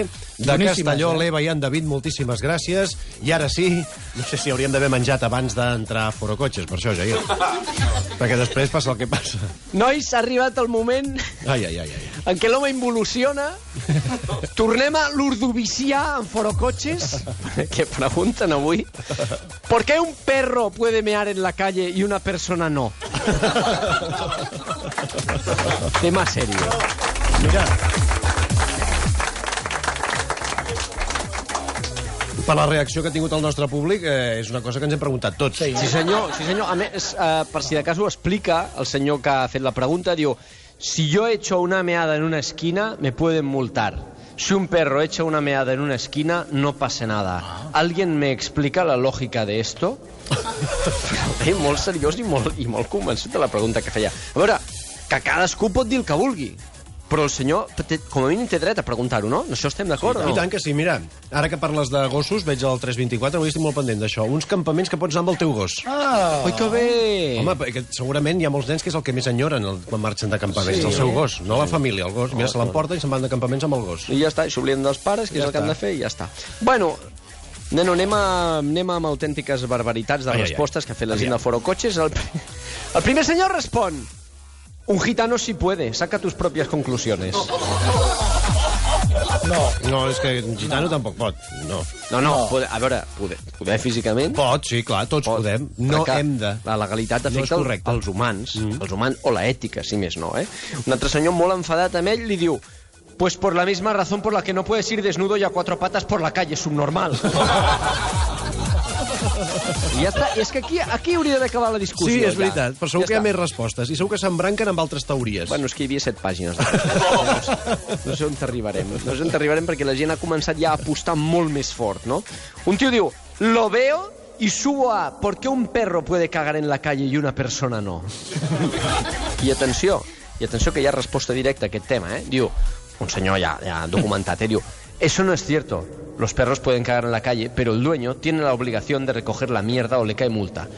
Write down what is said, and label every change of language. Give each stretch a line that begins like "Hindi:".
Catalan: De Boníssimes, Castelló, eh? L'Eva i en David, moltíssimes gràcies. I ara sí, no sé si hauríem d'haver menjat abans d'entrar a Forocotxes, per això, Jair. Perquè després passa el que passa. Nois, ha arribat el moment... Ai. En què l'home involuciona. Tornem a l'ordovicià en Forocotxes. Què pregunten avui?
Spanish: ¿Por qué un perro puede mear en la calle y una persona no?
Catalan: Tema serio. Mira. Per la reacció que ha tingut el nostre públic, és una cosa que ens hem preguntat tots. Sí, senyor. A més, per si de cas ho explica, el senyor que ha fet la pregunta diu:
Spanish: si yo echo una meada en una esquina, me pueden multar. Si un perro echa una meada en una esquina, no pasa nada. ¿Alguien me explica la lógica de esto?
Catalan: Molt seriós i molt convençut de la pregunta que feia. A veure, que cadascú pot dir el que vulgui, però el senyor, com a mínim, té dret a preguntar-ho, no? Això estem d'acord, sí, no? I tant que sí. Mira, ara que parles de gossos, veig el 324, avui estic molt pendent d'això. Uns campaments que pots anar amb el teu gos. Ah! Ai, que bé! Home, segurament hi ha molts nens que és el que més enyoren quan marxen de campaments, sí, el seu gos, no la família, el gos. Mira, se l'emporta i se'n van de campaments amb el gos. I ja està, i s'oblien dels pares, que ja és el que han de fer, i ja està. Bueno... Neno, anem amb autèntiques barbaritats de respostes que ha fet la gent de Forocotxes. El primer senyor respon:
Spanish: un gitano sí puede, saca tus propias conclusiones.
Catalan: No, és que un gitano tampoc pot, no. Pode, a veure, poder físicament... Pot, sí, clar, tots pot, podem, no hem de... La legalitat afecta els humans, els humans, o la ètica, si més no, eh? Un altre senyor molt enfadat amb ell li diu:
Spanish: pues por la misma razón por la que no puedes ir desnudo y a cuatro patas por la calle, subnormal.
Catalan: I ja està. I és que aquí hauria d'acabar la discussió. Sí, és veritat, però segur que hi ha més respostes i segur que s'embranquen amb altres teories. Bueno, és que hi havia 7 pàgines. No sé on t'arribarem. No sé on t'arribarem perquè la gent ha començat ja a apostar molt més fort, no? Un tio diu:
Spanish: lo veo y subo a ¿por qué un perro puede cagar en la calle y una persona no?
Catalan: I atenció, que hi ha resposta directa a aquest tema, eh? Diu... un senyor ya documentat, diu:
Spanish: eso no es cierto. Los perros pueden cagar en la calle, pero el dueño tiene la obligación de recoger la mierda o le cae multa.